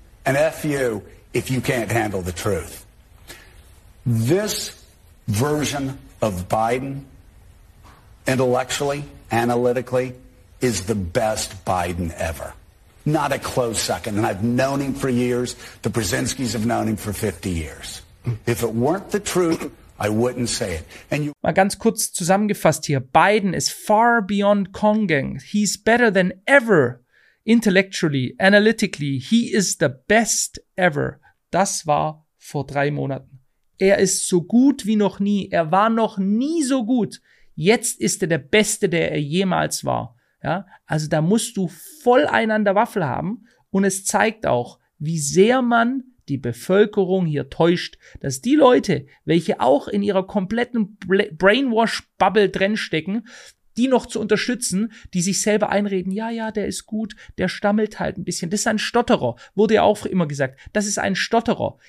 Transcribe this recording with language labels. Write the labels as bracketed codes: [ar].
[en] And F you if you can't handle the truth. This version of Biden, intellectually, analytically, is the best Biden ever. Not a close second. And I've known him for years. The Brzezinskis have known him for 50 years. If it weren't the truth... I wouldn't say it. And you- [de] Mal ganz kurz zusammengefasst hier. [en] Biden is far beyond Kongen. He's better than ever. Intellectually, analytically, he is the best ever. [de] Das war vor 3 Monaten. Er ist so gut wie noch nie. Er war noch nie so gut. Jetzt ist er der Beste, der er jemals war. Ja? Also da musst du voll einander Waffel haben. Und es zeigt auch, wie sehr man die Bevölkerung hier täuscht, dass die Leute, welche auch in ihrer kompletten Brainwash-Bubble drinstecken, die noch zu unterstützen, die sich selber einreden, ja, ja, der ist gut, der stammelt halt ein bisschen, das ist ein Stotterer, wurde ja auch immer gesagt, das ist ein Stotterer.